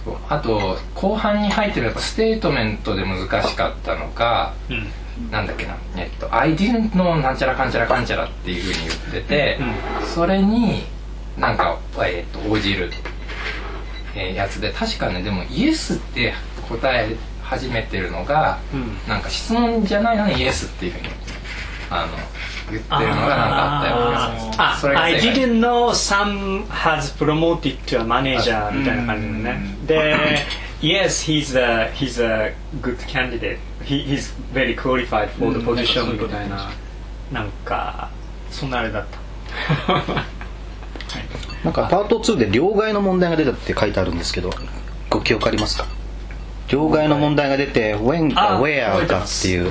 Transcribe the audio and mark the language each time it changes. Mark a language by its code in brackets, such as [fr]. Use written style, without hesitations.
[ja] あと後半に入ってるやっぱステートメントで難しかったのか、なんだっけな、 [en] I didn't know [ja] なんちゃらかんちゃらかんちゃらっていう風に言ってて、それになんか応じるやつで、確かね、でもイエスって答え始めてるのが、なんか質問じゃないのにイエスっていう風にあの言ってるのがなんかあったような気がする。 [en] I didn't know Sam has promoted to a manager [ja] みたいな感じのね。 [en] で、Yes, he's a good candidate. He's very qualified for the position [ja] みたいな、なんかそんなあれだった。なんかパート2で両替の問題が出たって書いてあるんですけど、ご記憶ありますか？両替の問題が出て、When か Where かっていう、